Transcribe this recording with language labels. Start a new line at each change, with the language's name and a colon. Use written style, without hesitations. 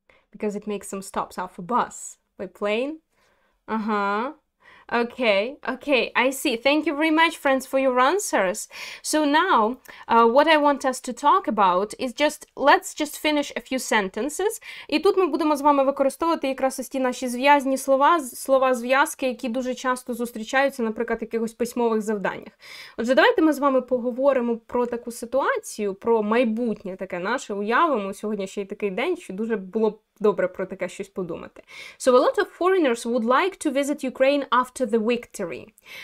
English: Because it makes some stops off a bus by plane. Okay, I see. Thank you very much, friends, for your answers. So now, what I want us to talk about is just, let's just finish a few sentences.
Ukrainian: І тут ми будемо з вами використовувати якраз ось ті наші зв'язні слова, слова-зв'язки, які дуже часто зустрічаються, наприклад, в якихось письмових завданнях. Отже, давайте ми з вами поговоримо про таку ситуацію, про майбутнє таке наше, уявимо. Сьогодні ще й такий день, що дуже було добре про таке щось подумати.
English: So a lot of foreigners would like to visit Ukraine after the victory.